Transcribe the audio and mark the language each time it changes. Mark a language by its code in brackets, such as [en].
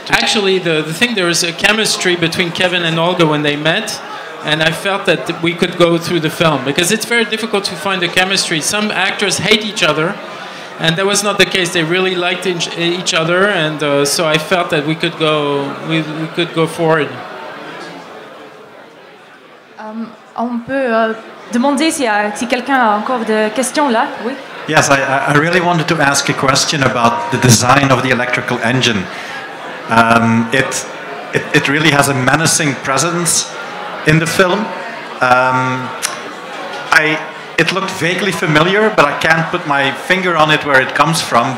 [en] Actually, the thing, there was a chemistry between Kevin and Olga when they met, and I felt that we could go through the film because it's very difficult to find the chemistry. Some actors hate each other, and that was not the case. They really liked each other, and so I felt that we could go forward. [fr] On peut demander si quelqu'un a encore de questions là. Oui. [en] Yes, I really wanted to ask a question about the design of the electrical engine. It really has a menacing presence in the film. It looked vaguely familiar, but I can't put my finger on it where it comes from.